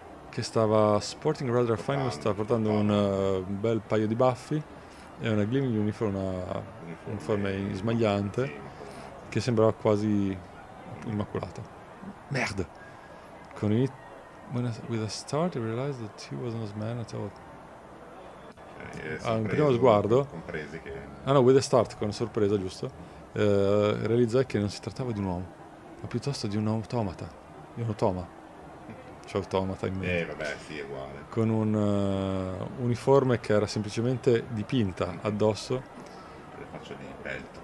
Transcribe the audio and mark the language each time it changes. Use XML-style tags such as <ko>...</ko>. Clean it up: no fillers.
<it>Che stava</it> <en>sporting rather fine,</en> <it>sta portando un bel paio di baffi e una</it> <en>gleaming uniform,</en> <it>uniforme smagliante, che sembrava quasi immacolata. Merda!</it> <en>With a start I realized that he was not a man at all. With a start,</en> <it>con sorpresa, giusto? Realizzai che non si trattava di un uomo, ma piuttosto di un automata. Di un automa. c'è Automata in mente. Vabbè, sì, è uguale. Con un uniforme che era semplicemente dipinta addosso. Le facce di peltro.</it>